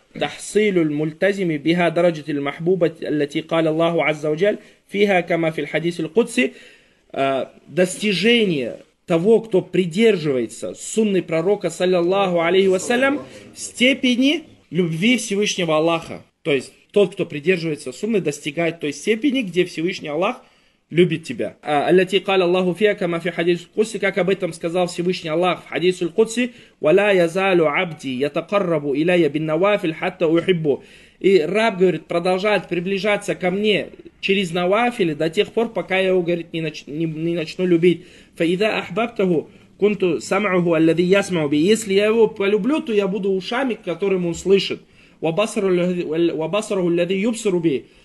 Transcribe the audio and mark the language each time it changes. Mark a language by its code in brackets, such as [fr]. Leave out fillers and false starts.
[ar] تحصيل الملتزم بها درجة المحبوبة التي قال الله عز وجل فيها كما في الحديث القدسي. [ru] Достижение того, кто придерживается сунны пророка саллиллаху алейхи вассалям, степени любви Всевышнего Аллаха. То есть тот, кто придерживается сунны, достигает той степени, где Всевышний Аллах любит тебя. [ar] التي قال الله فيها كما في حديث القدسي, [ru] как об этом сказал Всевышний Аллах в хадисе [ar] القدسي, وَلَا يَزَالُ عَبْدِي يَتَقَرَّبُ إِلَيَّ بِالنَّوَافِلْ حَتَّى أُحِبُّ. [ru] И раб, говорит, продолжает приближаться ко мне через навафили до тех пор, пока я его, говорит, не начну любить. [ar] فَإِذَا أَحْبَبْتَهُ كُنْتُ سَمْعُهُ الَّذِي يَسْمَعُ بِي. [ru] Если я его полюблю, то я буду ушами, которым он слышит. [ar] وَبَصَرُهُ الَّذِي يُبْصِرُ بِي.